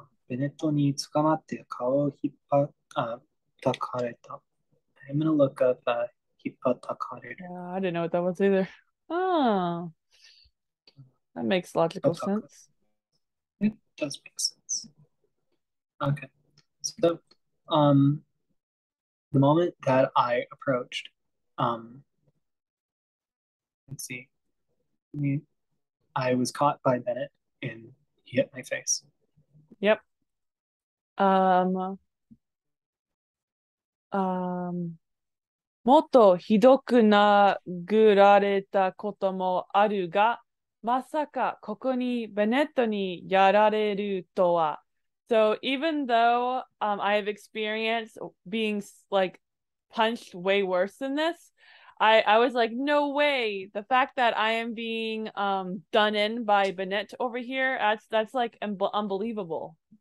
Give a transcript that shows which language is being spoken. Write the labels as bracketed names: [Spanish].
[Japanese] ベネットに捕まって顔を引っ張ったかれた。 [English] I'm gonna look up [Japanese] 引っ張ったかれる。 [English] Yeah, I didn't know what that was either. Oh, that makes logical sense. It does make sense. Okay. So, the moment that I approached, let's see, I was caught by Bennett and he hit my face. Yep. [Japanese] もっとひどくなぐられたこともあるが、まさかここにベネットにやられるとは。 [English] So even though I have experienced being like punched way worse than this, I was like, no way. The fact that I am being done in by Bennett over here, that's like unbelievable.